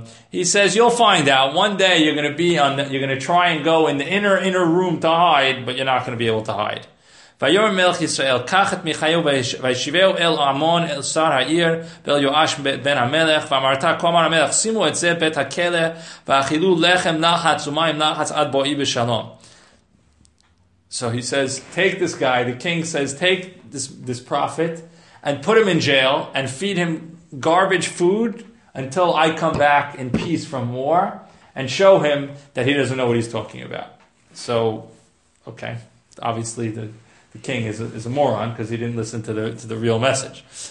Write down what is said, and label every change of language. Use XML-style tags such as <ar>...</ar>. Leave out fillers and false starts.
<en>He says, you'll find out. One day you're going to be on, you're going to try and go in the inner room to hide, but you're not going to be able to hide.</en> <he>ויאמר מלך ישראל, קח את מיכאיו וישיבהו אל עמון, אל שר העיר, ואל יואש בן המלך, ואמרת, כאמר המלך, שימו את זה בית הכלא, ואכילו לחם נחץ ומים נחץ עד בואי בשלום.</he> <en>So he says, take this guy, the king says, take this prophet, and put him in jail, and feed him garbage food, until I come back in peace from war, and show him that he doesn't know what he's talking about. So, okay, obviously the king is a moron because he didn't listen to the real message.</en>